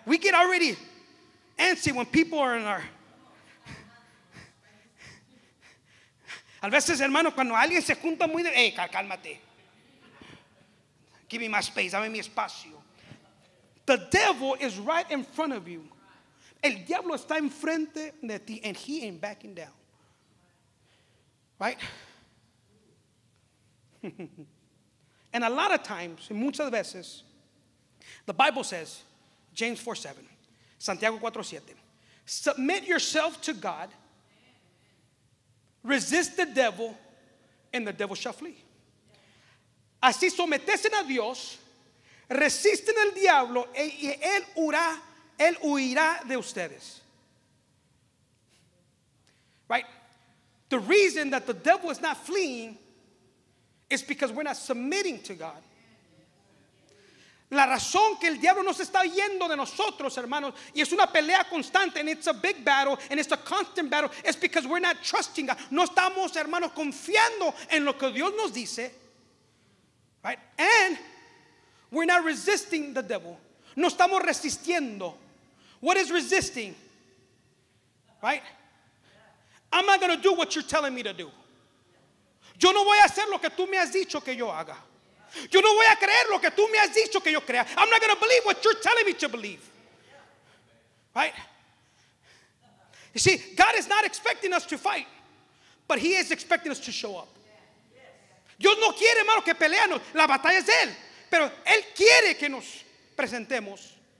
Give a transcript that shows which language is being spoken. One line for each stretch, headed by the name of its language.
English: We get already antsy when people are in our...
Spanish: A veces, hermano, cuando alguien se junta muy de...
English: Hey,
Spanish: cálmate.
English: Give me my space.
Spanish: Dame mi espacio.
English: The devil is right in front of you.
Spanish: El diablo está enfrente de ti,
English: and he ain't backing down. Right? And a lot of times,
Spanish: muchas veces,
English: the Bible says, James 4:7, Santiago 4:7, submit yourself to God. Resist the devil, and the devil shall flee.
Spanish: Así sometesen a Dios, resisten al diablo, y él huirá de ustedes.
English: Right? The reason that the devil is not fleeing is because we're not submitting to God.
Spanish: La razón que el diablo no se está yendo de nosotros, hermanos, y es una pelea constante,
English: and it's a big battle, and it's a constant battle,
Spanish: is because we're not trusting God. No estamos, hermanos, confiando en lo que Dios nos dice, right?
English: And we're not resisting the devil.
Spanish: No estamos resistiendo.
English: What is resisting? Right? I'm not going to do what you're telling me to do.
Spanish: Yo no voy a hacer lo que tú me has dicho que yo haga. Yo no voy a creer lo que tú me has dicho que yo crea.
English: I'm not going to believe what you're telling me to believe. Right? You see, God is not expecting us to fight, but he is expecting us to show up.
Spanish: Dios no quiere, hermano, que peleamos. La batalla es él, pero él quiere que nos presentemos.